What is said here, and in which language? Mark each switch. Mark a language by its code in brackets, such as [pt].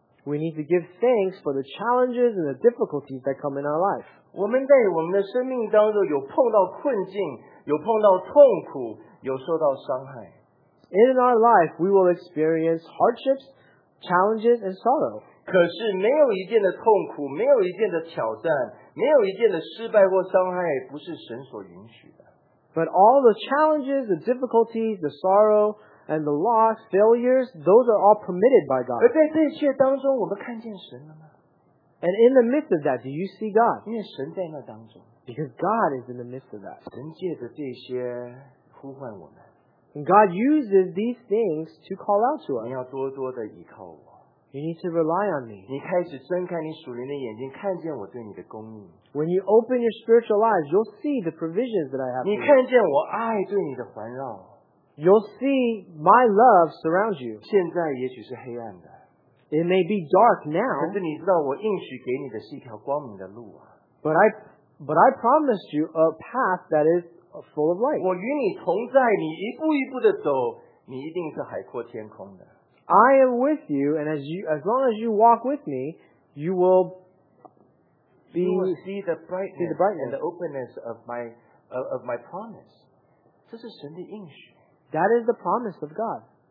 [en] We need to give thanks for the challenges and the difficulties that come in our life. [zh] 我们在我们的生命当中有碰到困境，有碰到痛苦，有受到伤害。 [en] In our life, we will experience hardships, challenges, and sorrow. [zh] 可是没有一件的痛苦，没有一件的挑战，没有一件的失败或伤害，不是神所允许的。 [en] But all the challenges, the difficulties, the sorrow, and the loss, failures, those are all permitted by God. [zh] 而在这一切当中，我们看见神了吗？ [en] And in the midst of that, do you see God? [zh] 因为神在那当中。 [en] Because God is in the midst of that. [zh] 神借着这些呼唤我们。 [en] God uses these things to call out to us. [zh] 你要多多的依靠我。 [en] You need to rely on me. [zh] 你开始睁开你属灵的眼睛，看见我对你的供应。 [en] When you open your spiritual eyes, you'll see the provisions that I have. [zh] 你看见我爱对你的环绕。 [en] you'll see my love surround you. [zh] 现在也许是黑暗的, [en] it may be dark now. [zh] 可是你知道我应许给你的是一条光明的路啊, [en] but I promised you a path that is full of light. [zh] 我与你同在,你一步一步地走, 你一定是海阔天空的。 [en] I am with you, and as long as you walk with me, you will be see the brightness and the openness of my promise. [zh] 这是神的应许。 [en] That is the promise of God.